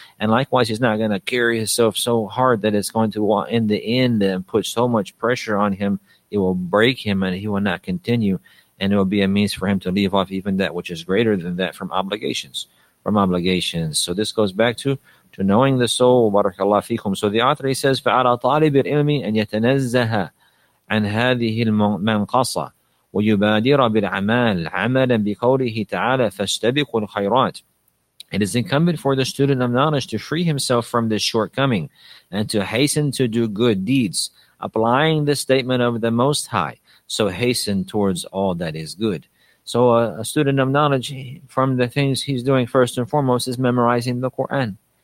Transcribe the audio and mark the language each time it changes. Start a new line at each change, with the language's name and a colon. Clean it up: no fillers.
English: And likewise, he's not going to carry himself so hard that it's going to, in the end, and put so much pressure on him, it will break him, and he will not continue. And it will be a means for him to leave off even that which is greater than that from obligations. So this goes back to knowing the soul.
Arabic: Barakallahu fikum.
English: So the author, he says,
Arabic: فَعَلَى طَالِبِ الْإِلْمِ أَنْ يَتَنَزَّهَ عَنْ هَذِهِ الْمَنْقَصَ وَيُبَادِرَ بِالْعَمَالِ عَمَلًا بِقَوْلِهِ تَعَالَى فَاسْتَبِقُوا الْخَيْرَاتِ.
English: It is incumbent for the student of knowledge to free himself from this shortcoming and to hasten to do good deeds, applying the statement of the Most High. So hasten towards all that is good. So a student of knowledge, from the things he's doing first and foremost, is memorizing the Quran.